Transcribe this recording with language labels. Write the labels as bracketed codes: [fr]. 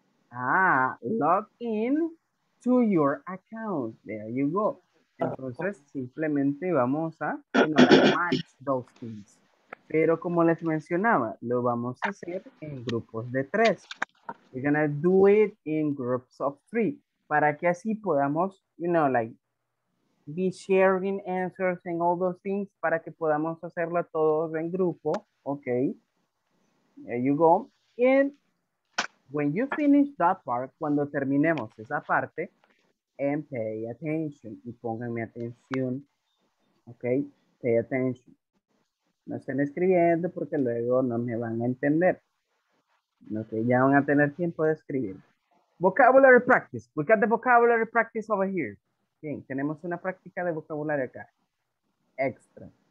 [en] Ah, log in to your account. There you go. [es] Entonces, simplemente vamos a [en] match those things. [es] Pero como les mencionaba, lo vamos a hacer en grupos de tres. [en] We're gonna do it in groups of three. [es] Para que así podamos, [en] you know, like, be sharing answers and all those things. [es] Para que podamos hacerlo todos en grupo. Okay. [en] There you go. And when you finish that part, [es] cuando terminemos esa parte, [en] and pay attention, [es] y pónganme atención, [en] ok, pay attention. [es] No estén escribiendo porque luego no me van a entender. Ok, ya van a tener tiempo de escribir. [en] Vocabulary practice, we got the vocabulary practice over here. [es] Bien, tenemos una práctica de vocabulario acá, extra.